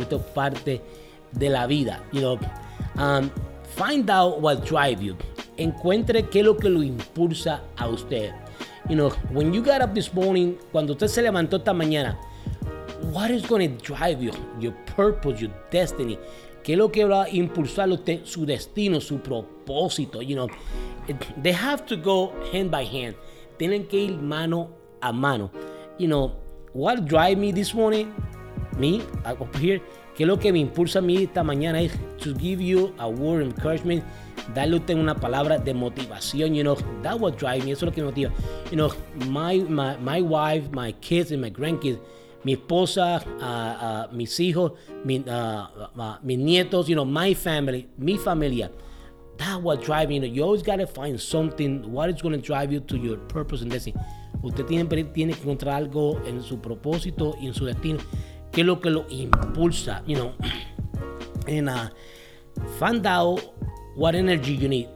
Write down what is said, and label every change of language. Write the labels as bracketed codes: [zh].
[es] Esto es parte de la vida. [en] You know, find out what drives you. [es] Encuentre qué es lo que lo impulsa a usted. [en] You know, when you got up this morning, [es] cuando usted se levantó esta mañana, [en] what is going to drive you? Your purpose, your destiny. [es] ¿Qué es lo que va a impulsar usted? Su destino, su propósito. [en] You know, they have to go hand by hand. [es] Tienen que ir mano a mano. [en] You know, what drive me this morning? Me, up here. [es] ¿Qué es lo que me impulsa a mí esta mañana? [en] Is to give you a word of encouragement. [es] Darle usted una palabra de motivación. [en] You know, that will drive me. [es] Eso es lo que me motiva. [en] You know, my wife, my kids, and my grandkids. [es] Mi esposa, mis hijos, mis nietos, [en] you know, my family, [es] mi familia. [en] That's what drives me. You know, you always got to find something. What is going to drive you to your purpose and destiny? [es] Usted tiene que encontrar algo en su propósito y en su destino. ¿Qué es lo que lo impulsa? [en] You know, find out what energy you need.